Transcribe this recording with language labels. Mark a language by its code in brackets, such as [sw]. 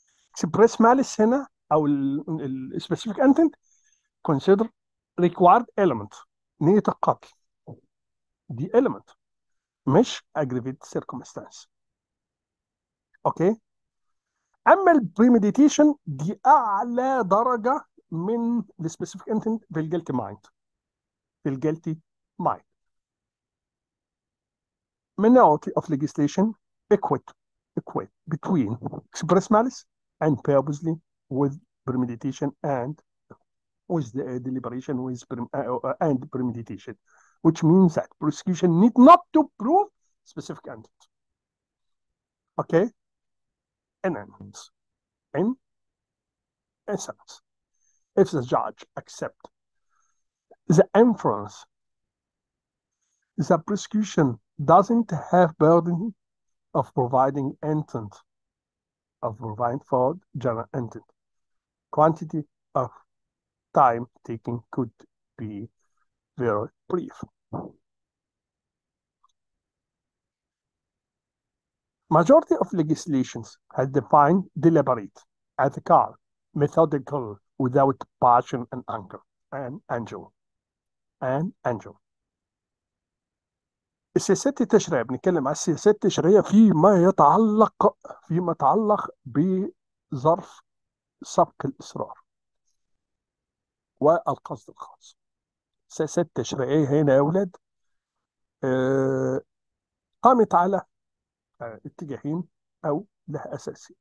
[en] express malice هنا او السبيسيفيك انتنت consider required element، [ar] نية القتل دي [en] element مش aggravated circumstance. [ar] اوكي، اما البريميديتيشن دي اعلى درجه من [en] السبيسيفيك انتنت [ar] في [en] الجيلتي mind. Minority of legislation equate between express malice and purposely with premeditation and with the deliberation with and premeditation, which means that prosecution need not to prove specific intent. Okay? In essence, if the judge accept the inference, the prosecution doesn't have burden of providing intent, of providing for general intent. Quantity of time taking could be very brief. Majority of legislations had defined deliberate, ethical, methodical, without passion and anger. And angel. [ar] السياسات التشريعية، بنتكلم عن السياسات التشريعية فيما يتعلق بظرف سبق الإصرار والقصد الخاص. السياسات التشريعية هنا يا أولاد قامت على اتجاهين أو لها أساسين.